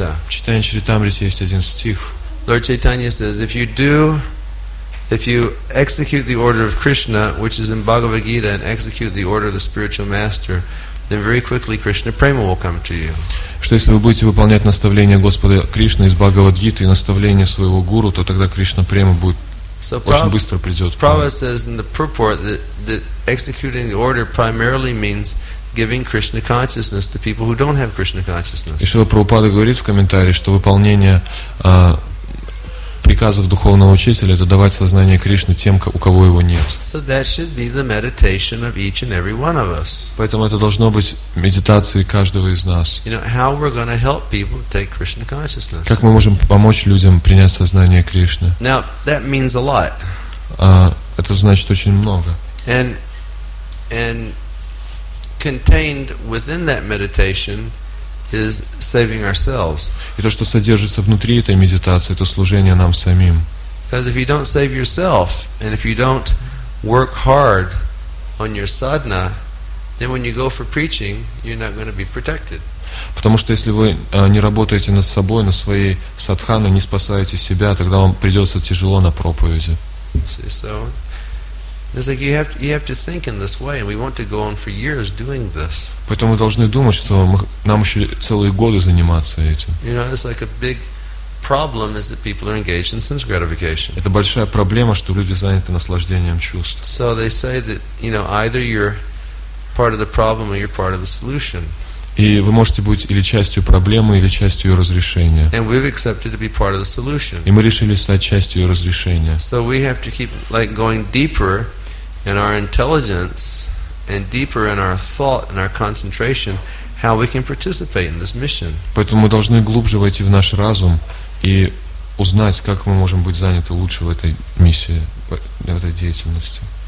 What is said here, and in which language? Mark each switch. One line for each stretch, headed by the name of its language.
Russian: Чайтанья Чаритамрите есть один стих.
English: Lord Chaitanya says, if you execute the order of Krishna, which is in Bhagavad Gita, and execute the order of the spiritual master, then very quickly Krishna prema will come to you.
Russian: Что если вы будете выполнять наставления Господа Кришны из Бхагавад Гиты и наставления своего гуру, то тогда Кришна према будет.
English: So Prabhupada says in the purport that executing the order primarily means giving Krishna consciousness to people who don't have Krishna consciousness.
Russian: И Шрила Прабхупада говорит в комментарии, что выполнение приказов духовного учителя — это давать сознание Кришны тем, у кого его нет.
English: So that should be the meditation of each and every one of us.
Russian: Поэтому это должно быть медитацией каждого из нас.
English: You know, how we're going to help people take Krishna consciousness.
Russian: Как мы можем помочь людям принять сознание Кришны?
English: Now, that means a lot.
Russian: Это значит очень много.
English: And contained within that meditation is saving ourselves.
Russian: И то, что содержится внутри этой медитации, это служение нам самим.
English: Because if you don't save yourself and if you don't work hard on your sadhana, then when you go for preaching, you're not going to be protected.
Russian: Потому что если вы не работаете над собой, на своей садхане, не спасаете себя, тогда вам придется тяжело на проповеди.
English: So it's like you have to think in this way, and we want to go on for years doing this.
Russian: Поэтому мы должны думать, что нам еще целые годы заниматься этим.
English: You know, it's like a big problem is that people are engaged in sense gratification.
Russian: Это большая проблема, что люди заняты наслаждением чувств.
English: So they say that, you know, either you're part of the problem or you're part of the solution.
Russian: И вы можете быть или частью проблемы, или частью ее разрешения.
English: And we've accepted to be part of the solution.
Russian: И мы решили стать частью ее разрешения.
English: So we have to keep like going deeper in our intelligence and deeper in our thought and our concentration how we can participate in this mission.
Russian: Поэтому мы должны глубже войти в наш разум и узнать, как мы можем быть заняты лучше в этой миссии, в этой деятельности.